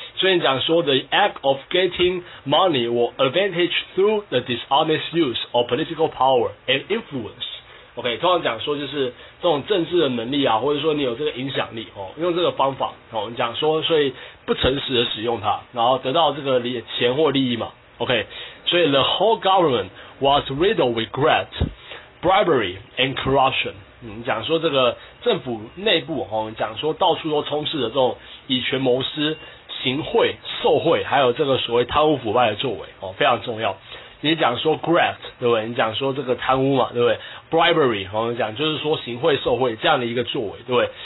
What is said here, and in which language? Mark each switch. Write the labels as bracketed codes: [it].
[zh] 所以你讲说 [en] the act of getting money or advantage through the dishonest use of political power and influence。 [zh] OK， 通常讲说就是这种政治的能力啊，或者说你有这个影响力哦，用这个方法哦，你讲说所以不诚实的使用它，然后得到这个钱或利益嘛。 [en] OK， [zh] 所以 [en] the whole government was riddled with graft, bribery and corruption。 [zh] 嗯，讲说这个政府内部哦，讲说到处都充斥着这种以权谋私、行贿、受贿，还有这个所谓贪污腐败的作为哦，非常重要。你讲说 graft 对不对？你讲说这个贪污嘛，对不对 ？bribery 我们讲就是说行贿受贿这样的一个作为，对不对？